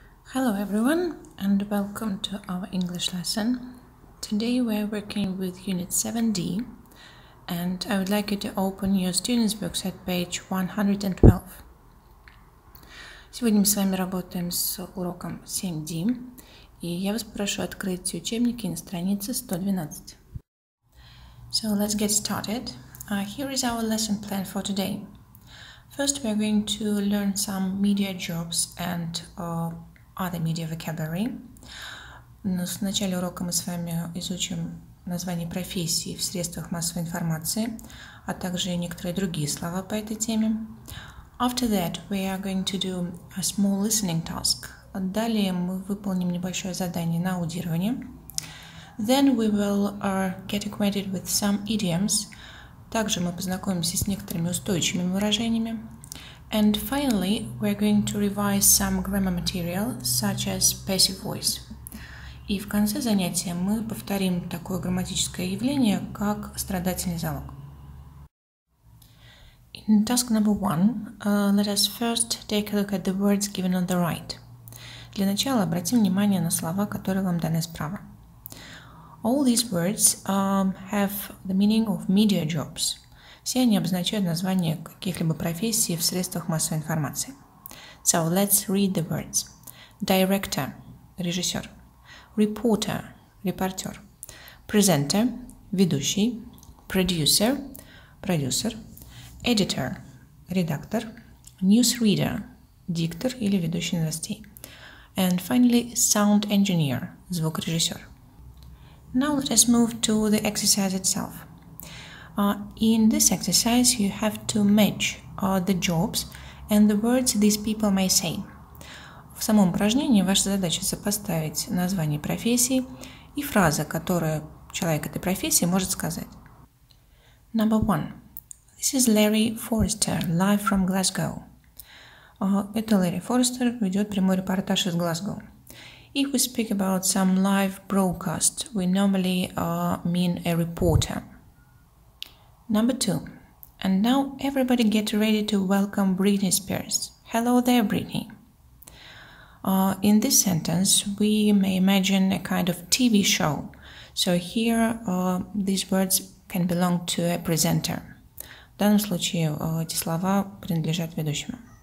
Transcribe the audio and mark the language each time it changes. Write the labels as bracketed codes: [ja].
[en] Hello everyone and welcome to our English lesson. Today we are working with Unit 7D and I would like you to open your student's books at page 112. [ru] Сегодня мы с вами работаем с уроком 7D и я вас прошу открыть учебники на странице 112. [en] So let's get started. Here is our lesson plan for today. First we are going to learn some media jobs and other media vocabulary. [ru] Но в начале урока мы с вами изучим название профессии в средствах массовой информации, а также некоторые другие слова по этой теме. [en] After that, we are going to do a small listening task. [ru] Далее мы выполним небольшое задание на аудирование. [en] Then we will get acquainted with some idioms. [ru] Также мы познакомимся с некоторыми устойчивыми выражениями. [en] And finally, we're going to revise some grammar material, such as passive voice. [ru] И в конце занятия мы повторим такое грамматическое явление, как страдательный залог. [en] In task number one, let us first take a look at the words given on the right. [ru] Для начала обратим внимание на слова, которые вам даны справа. [en] All these words have the meaning of media jobs. [ru] Все они обозначают название каких-либо профессий в средствах массовой информации. [en] So, let's read the words. Director – [ru] режиссер. [en] Reporter – [ru] репортер. [en] Presenter – [ru] ведущий. [en] Producer – [ru] продюсер. [en] Editor – [ru] редактор. [en] Newsreader – [ru] диктор или ведущий новостей. [en] And finally, sound engineer – [ru] звукорежиссер. [en] Now, let us move to the exercise itself. In this exercise, you have to match the jobs and the words these people may say. [ru] В самом упражнении ваша задача сопоставить название профессии и фразы, которые человек этой профессии может сказать. [en] Number one. This is Larry Forrester, live from Glasgow. [ru] Это Ларри Форестер, ведет прямой репортаж из Глазгоу. [en] If we speak about some live broadcast, we normally mean a reporter. Number two. And now everybody get ready to welcome Britney Spears. Hello there, Britney. In this sentence, we may imagine a kind of TV show. So here these words can belong to a presenter. [ru] В данном случае эти слова принадлежат ведущему.